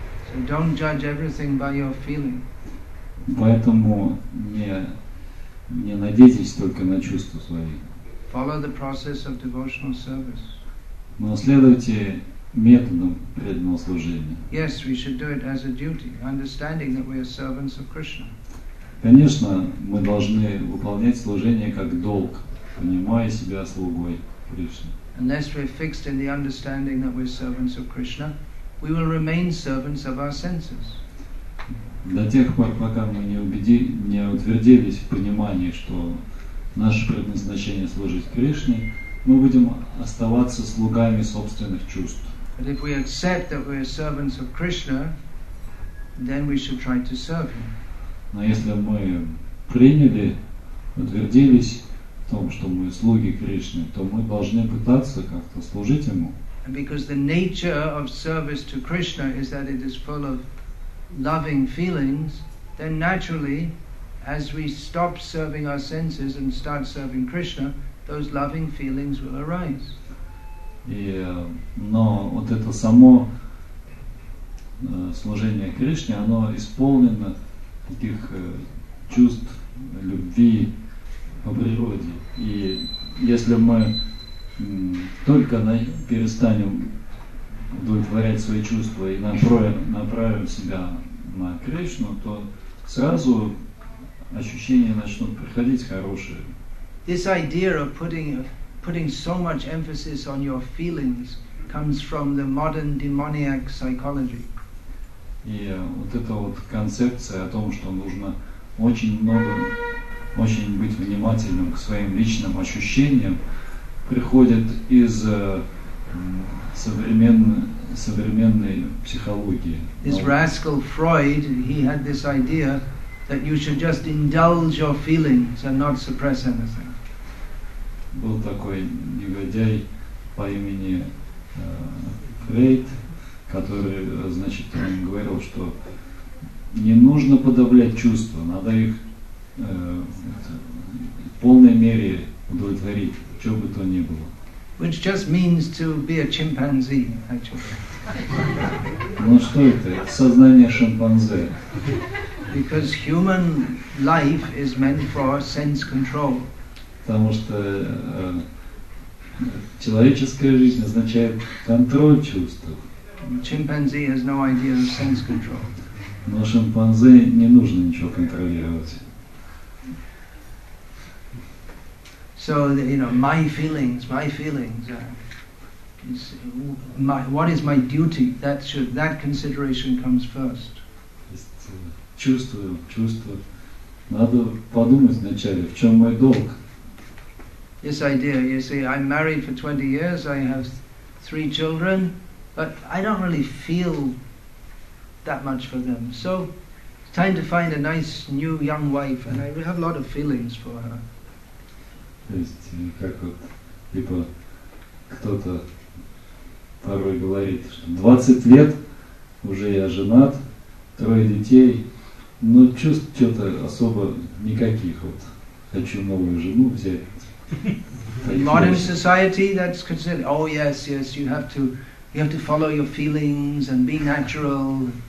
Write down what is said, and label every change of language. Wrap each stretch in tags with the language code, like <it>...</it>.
<en>So don't judge everything by your feeling.</en> <ru>Поэтому не надейтесь только на чувства свои.</ru> <en>Follow the process of devotional service.</en> <ru>Но следуйте методом преданного служения.</ru> <en>Yes, we should do it as a duty, understanding that we are servants of Krishna.</en> <ru>Конечно, мы должны выполнять служение как долг, понимая себя слугой Кришны.</ru> <en>Unless we're fixed in the understanding that we're servants of Krishna, we will remain servants of our senses.</en> <ru>До тех пор, пока мы не утвердились в понимании, что наше предназначение служить Кришне, мы будем оставаться слугами собственных чувств.</ru> <en>But if we accept that we are servants of Krishna, then we should try to serve Him.</en> <ru>Но если мы приняли, утвердились в том, что мы слуги Кришны, то мы должны пытаться как-то служить Ему.</ru> <en>And because the nature of service to Krishna is that it is full of loving feelings, then naturally, as we stop serving our senses and start serving Krishna, those loving feelings will arise.</en> <ru>Но вот это само служение Кришне, оно исполнено таких чувств любви по природе. И если мы только перестанем удовлетворять свои чувства и направим себя на Кришну, то сразу ощущения начнут приходить хорошие.</ru> <en>This idea of putting so much emphasis on your feelings comes from the modern demoniac psychology.</en> <ru>И вот эта вот концепция о том, что нужно очень быть внимательным к своим личным ощущениям, приходит из современной психологии.</ru> <en>This rascal Freud, he had this idea that you should just indulge your feelings and not suppress anything.</en> <ru>Был такой негодяй по имени Фрейд, который, значит, он говорил, что не нужно подавлять чувства, надо их в полной мере удовлетворить, что бы то ни было.</ru> <en>Which just means to be a chimpanzee, actually.</en> <ru>Ну что это? Сознание шимпанзе.</ru> <en>Because human life is meant for sense control.</en> <ru>Потому что человеческая жизнь означает контроль чувств.</ru> <en>Chimpanzee has no idea of sense control.</en> <ru>Но шимпанзе не нужно ничего контролировать.</ru> <en>So, you know, my feelings, what is my duty? That consideration comes first.</en> <ru>Чувствую. Надо подумать вначале, в чем мой долг.</ru> <en>This idea, you see, I'm married for 20 years, I have 3 children, but I don't really feel that much for them. So, it's time to find a nice new young wife, and I have a lot of feelings for her.</en> <ru>То есть, как вот, типа, кто-то порой говорит, что 20 лет, уже я женат, 3 детей, но чувств что-то особо никаких, вот, хочу новую жену взять.</ru> <en>In modern society, that's considered, oh yes, yes, you have to follow your feelings and be natural.</en>